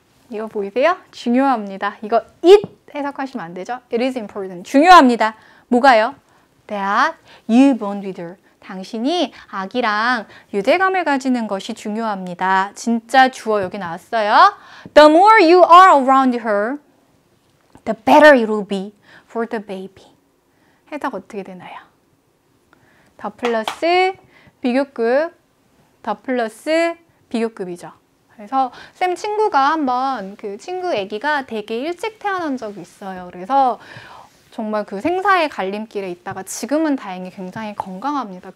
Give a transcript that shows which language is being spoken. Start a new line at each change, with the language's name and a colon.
Korean: 이거 보이세요? 중요합니다. 이거 it 해석하시면 안 되죠?
English: It is important.
Korean: 중요합니다. 뭐가요?
English: That you bond with her.
Korean: 당신이 아기랑 유대감을 가지는 것이 중요합니다. 진짜 주어 여기 나왔어요.
English: The more you are around her, the better it will be for the baby.
Korean: 해석 어떻게 되나요? 더 플러스 비교급, 더 플러스 비교급이죠. 그래서 쌤 친구가 한번 그 친구 아기가 되게 일찍 태어난 적이 있어요. 그래서 정말 그 생사의 갈림길에 있다가 지금은 다행히 굉장히 건강합니다.